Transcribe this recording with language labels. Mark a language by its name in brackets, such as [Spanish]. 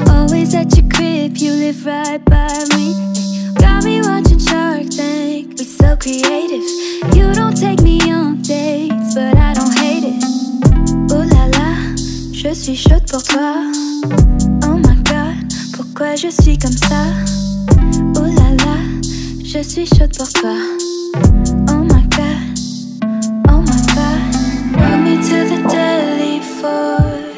[English] Always at your crib, you live right by me, ay. Got me watching Shark Tank, we so creative. You don't take me on dates, but I don't hate it. [French] Ooh la la, je suis chaude pour toi. [English] Oh my god, [French] pourquoi je suis comme ça. Ooh la la, je suis chaude pour toi. [English] Oh my god, oh my god. Walk me to the deli for